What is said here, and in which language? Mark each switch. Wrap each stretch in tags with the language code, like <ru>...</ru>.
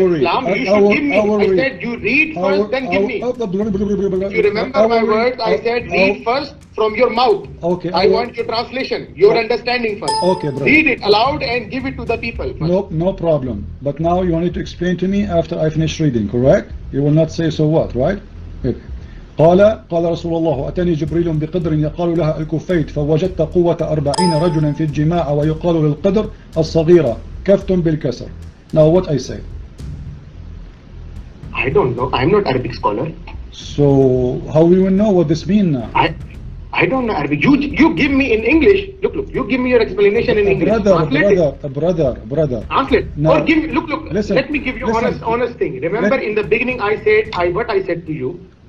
<en>in Islam. You remember my words, I said read first from your mouth. Okay. I want your translation, your understanding first. Okay, brother. Read it aloud and give it to the people first. No problem. But now you need to explain to me after I finish reading, correct? You will not say so what, right? Okay.</en> <ar>قال رسول الله أتاني جبريل بقدر يقال لها الكفيت فوجدت قوة 40 رجلا في الجماع ويقال للقدر الصغيرة كفت بالكسر.</ar> <en>Now what I say? I don't know. I'm not Arabic scholar. So how we will know what this means now? I don't know Arabic. You give me in English. Look. You give me your explanation in English. Brother. Translate. No. Or give me, look. Listen. Let me give you listen. honest thing. Remember in the beginning I said to you.</en>